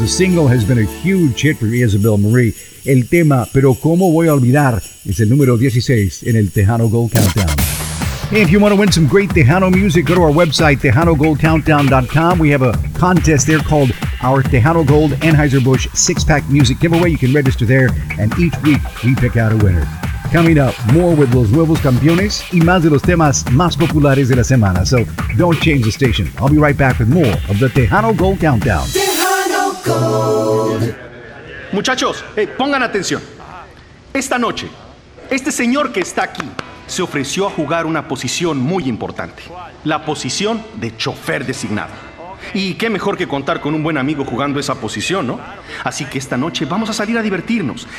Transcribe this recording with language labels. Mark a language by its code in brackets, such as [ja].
[en] The single has been a huge hit for Isabel Marie. [es] El tema, [en] Pero Cómo Voy a Olvidar, is [es] el número 16 [en] in el Tejano Gold Countdown. Hey, if you want to win some great Tejano music, go to our website, TejanoGoldCountdown.com. We have a contest there called our Tejano Gold Anheuser-Busch 6-Pack Music Giveaway. You can register there, and each week we pick out a winner. Coming up, more with [es] Los Nuevos Campeones y más de los temas más populares de la semana. [en] So, don't change the station. I'll be right back with more of the Tejano Gold Countdown. Tejano Gold. [es] Muchachos, hey, pongan atención. Esta noche, este señor que está aquí se ofreció a jugar una posición muy importante. La posición de chofer designado. Y qué mejor que contar con un buen amigo jugando esa posición, ¿no? Así que esta noche vamos a salir a divertirnos.